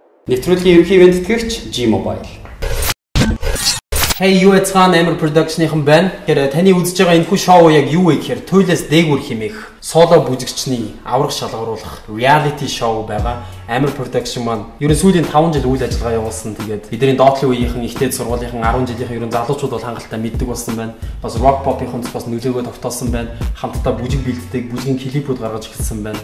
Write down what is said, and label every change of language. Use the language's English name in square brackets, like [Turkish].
[Mongolian] Нэвтрүүлгийн ерөнхий ивээн тэтгэгч G Mobile. [English] Hey you it's AIM4R Production [Mongolian] хэн байна? Гэхдээ таны үзэж байгаа энэхүү шоу яг юу вэ гэхээр ТУЙЛААС ДЭЭГҮҮР химэх соло бүжигчний аврах шалгуулах реалити шоу байгаа. AIM4R Production маань ер нь сүүлийн 5 жил үйл ажиллагаа явуулсан. Тэгээд бидний доотлын үеийнхэн ихтэй сургуулийнхэн 10 жилийнхэн ер нь залуучууд бол хангалттай мэддэг болсон байна. Бас rock pop-ийнхэн бас нөлөөгөө тогтоосон байна. Хамтдаа бүжиг бэлддэг, бүжгийн клипүүд гаргаж ирсэн байна.